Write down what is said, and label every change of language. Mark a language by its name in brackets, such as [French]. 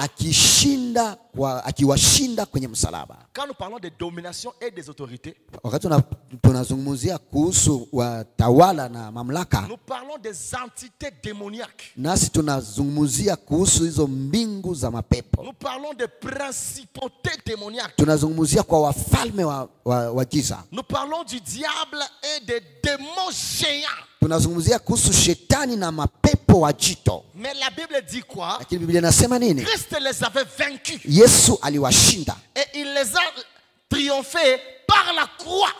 [Swahili] Akishinda kwa akiwashinda kwenye msalaba. [French] Quand nous parlons de domination et des autorités. [Swahili] Wakati tunazungumzia kuhusu watawala na mamlaka. [French] Nous parlons des entités démoniaques. [Swahili] Nasi tunazungumzia kuhusu hizo mbingu za mapepo. [French] Nous parlons des principautés démoniaques. [Swahili] Tunazungumzia kwa wafalme wa giza. [French] Nous parlons du diable et des démons géants. [Swahili] Tunazungumzia kuhusu shetani na mapepo wa jito. [French] Mais la Bible dit quoi? [Swahili] Lakini Biblia inasema nini? [French] Christ les avait vaincus. [Swahili] Yesu aliwashinda. [French] Et il les a triomphés par la croix.